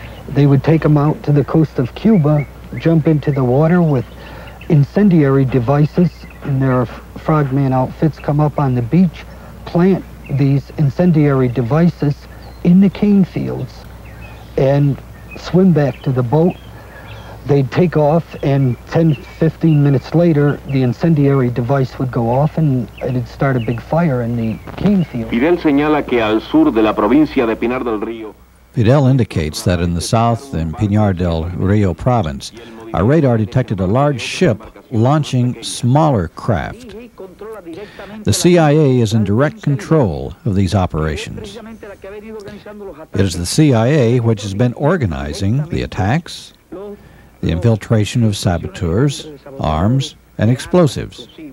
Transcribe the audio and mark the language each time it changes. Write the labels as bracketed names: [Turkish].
[English] They would take them out to the coast of Cuba, jump into the water with incendiary devices, and their frogman outfits come up on the beach, plant these incendiary devices in the cane fields, and swim back to the boat. They'd take off, and 10-15 minutes later the incendiary device would go off and it'd start a big fire in the cane field. [Spanish] Fidel señala que al sur de la provincia de Pinar del Río. [English] Fidel indicates that in the south in Pinar del Río province, a radar detected a large ship launching smaller craft. The CIA is in direct control of these operations. It is the CIA which has been organizing the attacks, the infiltration of saboteurs, arms, and explosives.